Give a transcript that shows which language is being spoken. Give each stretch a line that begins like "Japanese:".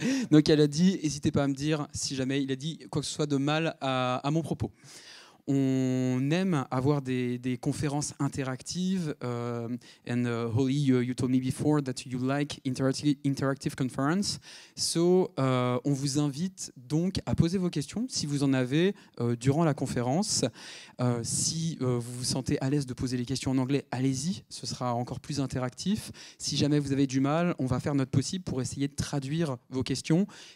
French: Donc elle a dit, n'hésitez pas à me dire si jamais il a dit quoi que ce soit de mal à mon propos. On aime avoir des conférences interactives.
English: And Holly, you told me before that you like interactive conference.
French: So on vous invite donc à poser vos questions si vous en avez durant la conférence. Si vous vous sentez à l'aise de poser les questions en anglais, allez-y, ce sera encore plus interactif. Si jamais vous avez du mal, on va faire notre possible pour essayer de traduire vos questions.